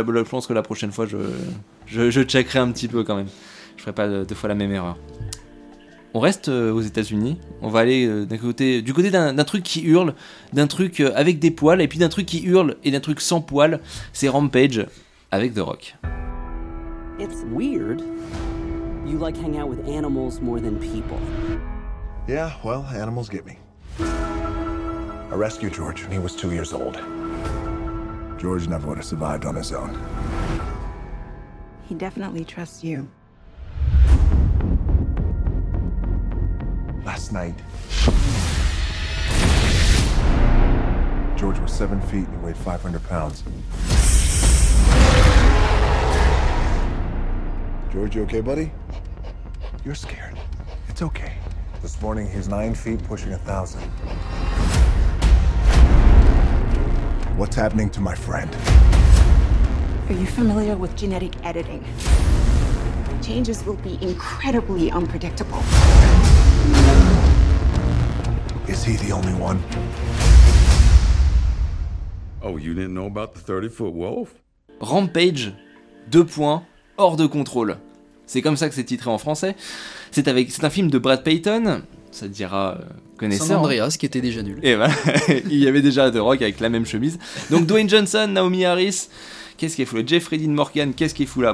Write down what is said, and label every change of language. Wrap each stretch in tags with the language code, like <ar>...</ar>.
<fr>Je pense que la prochaine fois, je checkerai un petit peu quand même. Je ferai pas deux fois la même erreur. On reste aux États-Unis. On va aller du côté d'un truc qui hurle, d'un truc avec des poils, et puis d'un truc qui hurle et d'un truc sans poils. C'est Rampage avec The Rock.</fr> <en>It's weird. You like hang out with animals more than people. Yeah, well, animals get me. I rescued George when he was 2 years old. George never would have survived on his own. He definitely trusts you. Last night, George was 7 feet and he weighed 500 pounds. George, you okay, buddy? You're scared. It's okay. This morning, he's 9 feet pushing 1,000. What's happening to my friend? Are you familiar with genetic editing? Changes will be incredibly unpredictable. Is he the only one? Oh, you didn't know about the 30-foot wolf?</en> <fr>Rampage, 2 points, hors de contrôle. C'est comme ça que c'est titré en français. C'est un film de Brad Payton, ça te dira connaisseur. San Andreas, qui était déjà nul. Et ben, il y avait déjà The Rock avec la même chemise. Donc Dwayne Johnson, Naomi Harris, qu'est-ce qu'il fout là? Jeffrey Dean Morgan, qu'est-ce qu'il fout là?</fr>